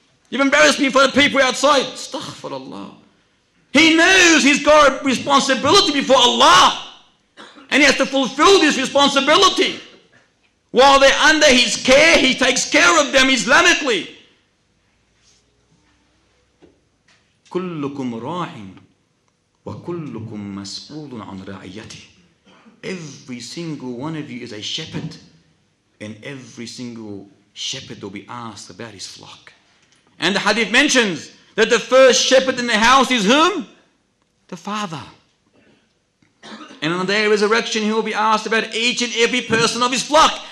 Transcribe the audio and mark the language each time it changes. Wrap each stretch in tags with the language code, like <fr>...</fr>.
<en>You've embarrassed me for the people outside. Astaghfirullah. He knows he's got a responsibility before Allah. And he has to fulfill this responsibility. While they're under his care, he takes care of them Islamically.</en> <ar>كلكم راع وكلكم مسؤول عن رعيته.</ar> <en>Every single one of you is a shepherd, and every single shepherd will be asked about his flock. And the hadith mentions that the first shepherd in the house is whom? The father. And on the day of resurrection, he will be asked about each and every person of his flock.</en>